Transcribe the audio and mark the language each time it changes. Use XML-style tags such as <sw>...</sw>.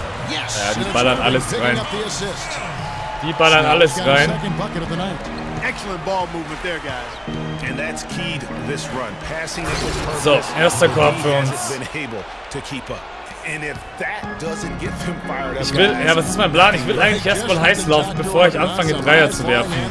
<de>Ja, die ballern alles rein. Die ballern alles rein.</de> <en>Excellent ball movement there, guys. And that's key to this run. Passing it was perfect.</en> <de>So, erster Korb für uns.</de> <en>Been able to keep up. And if that doesn't get them fired up,</en> <de>ich will, ja, was ist mein Plan? Ich will eigentlich erstmal heiß laufen, bevor ich anfange, Dreier zu werfen.</de>